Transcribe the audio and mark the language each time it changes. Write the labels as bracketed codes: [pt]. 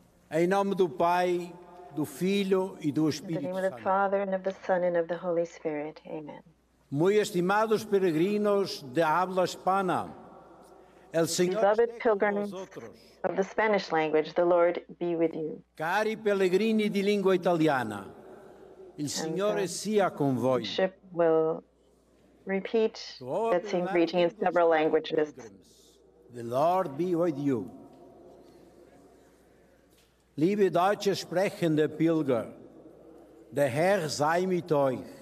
[pt] Em nome do Pai, do Filho e do Espírito Santo. [en] In the name of the Father, and of the Son, and of the Holy Spirit. Amen. [es] Muy estimados peregrinos de habla hispana, el Señor [en] beloved pilgrims of the Spanish language, the Lord be with you. [it] Cari pellegrini di lingua italiana, il Signore sia con voi. [en] The bishop will repeat that same greeting in several languages. The Lord be with you. [de] Liebe deutsche sprechende Pilger, der Herr sei mit euch.